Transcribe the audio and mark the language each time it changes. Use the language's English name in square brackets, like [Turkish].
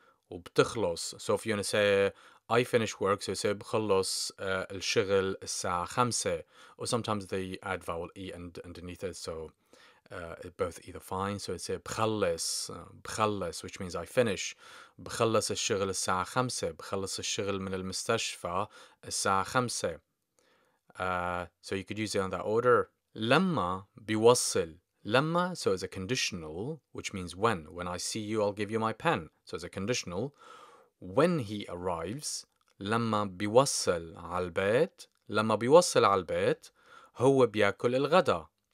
[Arabic] وبتخلص, [English] so if you want to say, I finish work, so you say, [Arabic] بخلص الشغل الساعة 5, [English] or sometimes they add vowel E and underneath it, so both either fine, so it's a [Arabic] بخلص, [English] which means I finish. [Arabic] بخلص الشغل الساعة 5, بخلص الشغل من المستشفى الساعة 5. [English] So you could use it in that order. [Arabic] لما بيوصل, لما, [English] so it's a conditional, which means when I see you, I'll give you my pen. So it's a conditional. When he arrives, [Arabic] لما بيوصل على البيت, لما بيوصل على البيت, هو بيأكل الغداء.